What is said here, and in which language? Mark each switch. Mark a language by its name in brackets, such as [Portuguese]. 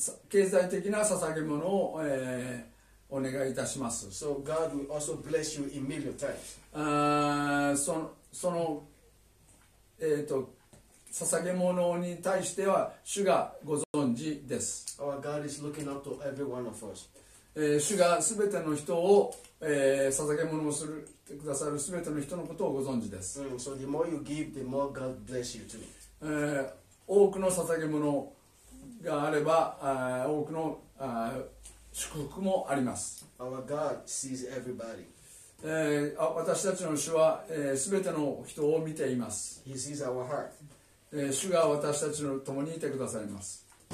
[Japanese] 経済的な捧げ物を、お願いいたします。 [English] So God will also bless you in million times. [Japanese] その捧げ物に対しては主がご存知です。 [English] Our God is looking out to every one of us. [Japanese] 主がすべての人を、捧げ物をするてくださるすべての人のことをご存知です。 [English] So the more you give, the more God bless you too. [Japanese] 多くの捧げ物があれば、多くの祝福もあります。 [English] Our God sees everybody. [Japanese] 私たちの主はすべての人を見ています。 [English] He sees our heart. [Japanese] 主が私たちの共にいてくださいます。